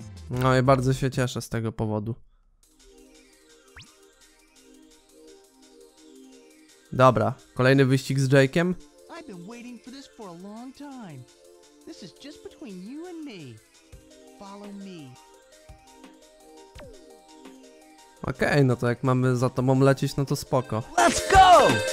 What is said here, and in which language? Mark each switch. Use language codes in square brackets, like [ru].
[pl] No i bardzo się cieszę z tego powodu. Dobra, kolejny wyścig z Jake'em. [en] I've been waiting for this for a long time. This is just between you and me. Follow me. [pl] Okej, no to jak mamy za tobą lecieć, no to spoko. [en] Let's go!